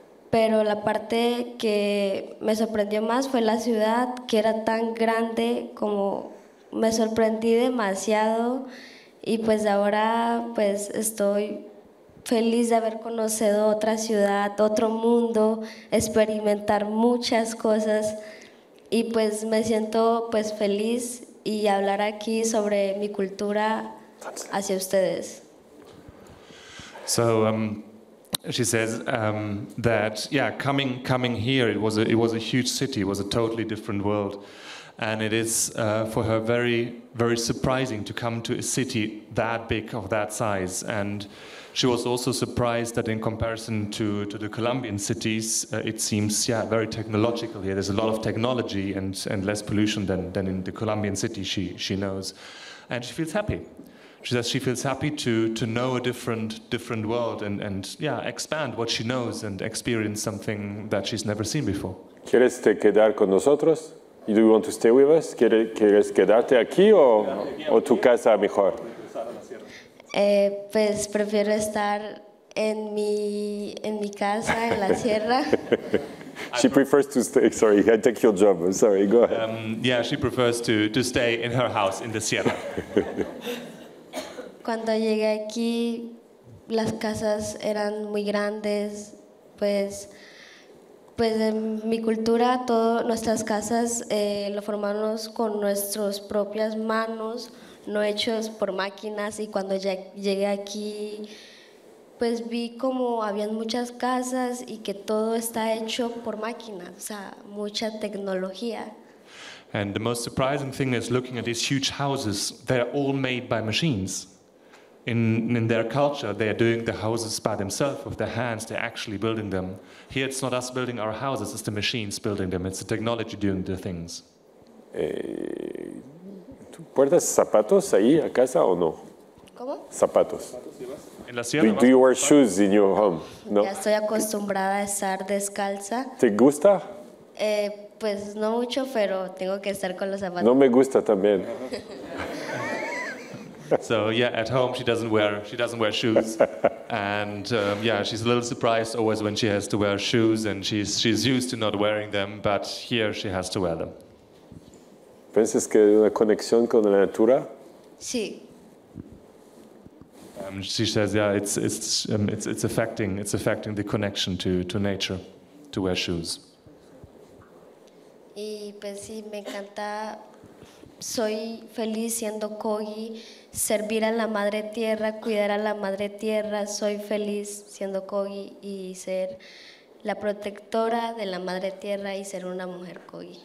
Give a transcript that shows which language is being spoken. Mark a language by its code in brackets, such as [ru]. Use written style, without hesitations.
[es] Pero la parte que me sorprendió más fue la ciudad, que era tan grande, como me sorprendí demasiado y pues ahora pues estoy feliz de haber conocido otra ciudad, otro mundo, experimentar muchas cosas. Y pues me siento pues feliz y hablar aquí sobre mi cultura hacia ustedes. [en] So she says that coming here it was a huge city, it was a totally different world, and it is for her very very surprising to come to a city that big of that size. And she was also surprised that in comparison to the Colombian cities, it seems very technological here. There's a lot of technology and less pollution than in the Colombian city she knows. And she feels happy. She says she feels happy to know a different world and expand what she knows and experience something that she's never seen before. [es] ¿Quieres te quedar con nosotros? [en] Do you want to stay with us? [es] ¿Quieres quedarte aquí o tu casa mejor? Pues prefiero estar en mi casa en la sierra. [en] She prefers to stay. Sorry, I take your job. Sorry, go ahead. She prefers to stay in her house in the sierra. [es] Cuando llegué aquí, las casas eran muy grandes. Pues en mi cultura, todas nuestras casas lo formamos con nuestras propias manos. No hechos por máquinas, y cuando ya llegué aquí, pues vi como habían muchas casas y que todo está hecho por máquinas, o sea, mucha tecnología. [en] And the most surprising thing is looking at these huge houses, they're all made by machines. In their culture, they are doing the houses by themselves, with their hands, they're actually building them. Here it's not us building our houses, it's the machines building them, it's the technology doing the things. [es] ¿Puertas zapatos ahí a casa o no? ¿Cómo? Zapatos. ¿En la sierra? [en] Do you wear shoes in your home? [es] No. Ya estoy acostumbrada a estar descalza. ¿Te gusta? Pues no mucho, pero tengo que estar con los zapatos. No me gusta también. [en] So yeah, at home she doesn't wear shoes, and she's a little surprised always when she has to wear shoes, and she's used to not wearing them, but here she has to wear them. [es] ¿Pensas que hay una conexión con la natura? Sí. [en] She says, it's affecting the connection to nature, to wear shoes. [es] Y pues sí, me encanta. Soy feliz siendo Kogi, servir a la Madre Tierra, cuidar a la Madre Tierra. Soy feliz siendo Kogi y ser la protectora de la Madre Tierra y ser una mujer Kogi.